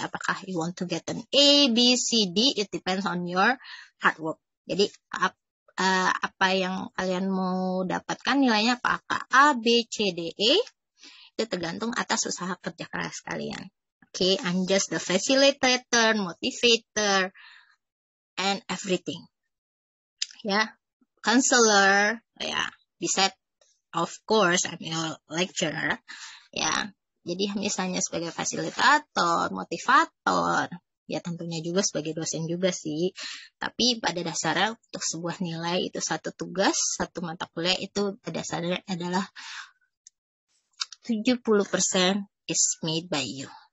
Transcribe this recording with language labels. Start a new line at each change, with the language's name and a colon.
English: Apakah you want to get an A, B, C, D? It depends on your hard work.
Indonesian: Jadi apa yang kalian mau dapatkan nilainya, apakah A, B, C, D, E? Itu tergantung atas usaha kerja keras kalian.
English: Okay, I'm just the facilitator, motivator, and everything. Yeah. Counselor, ya, beset, of course, I'm your lecturer, ya.
Indonesian: Jadi misalnya sebagai fasilitator, motivator, ya tentunya juga sebagai dosen juga sih. Tapi pada dasarnya untuk sebuah nilai itu satu tugas, satu mata kuliah itu pada dasarnya adalah 70%
English: is made by you.